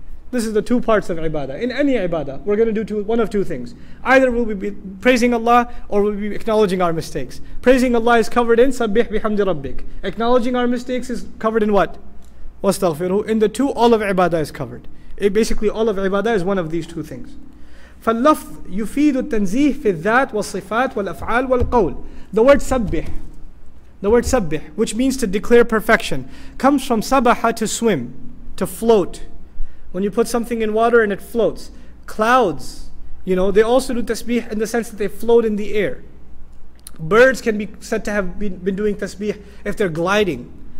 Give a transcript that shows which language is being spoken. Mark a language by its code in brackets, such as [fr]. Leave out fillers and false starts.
[en] This is the two parts of ibadah. In any ibadah, we're going to do one of two things. Either we'll be praising Allah, or we'll be acknowledging our mistakes. Praising Allah is covered in [ar] سَبِّحْ بِحَمْدِ رَبِّكَ. [en] Acknowledging our mistakes is covered in what? وَاسْتَغْفِرُهُ. In the two, all of ibadah is covered. It basically, all of ibadah is one of these two things. [ar] فاللفظ يفيد التنزيه في الذات والصفات والأفعال والقول. [en] The word sabbih, which means to declare perfection, comes from sabaha, to swim, to float. When you put something in water and it floats. Clouds, you know, they also do tasbih in the sense that they float in the air. Birds can be said to have been doing tasbih if they're gliding.